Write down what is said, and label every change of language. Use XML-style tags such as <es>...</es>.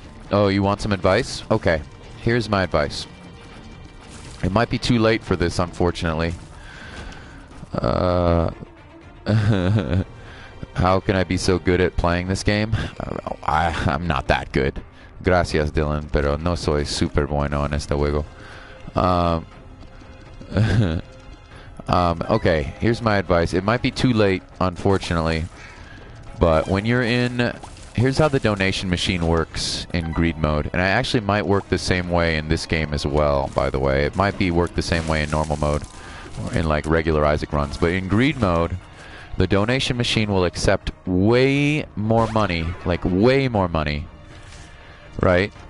<en>Oh, you want some advice? Okay. Here's my advice. It might be too late for this, unfortunately. how can I be so good at playing this game? I'm not that good.</en> <es>Gracias, Dylan, pero no soy super bueno en este juego.</es> <en>okay, here's my advice. It might be too late, unfortunately, but when you're in... Here's how the donation machine works in greed mode, and it actually might work the same way in this game as well, by the way. It might be work the same way in normal mode, or in like regular Isaac runs, but in greed mode, the donation machine will accept way more money, like way more money, right?</en>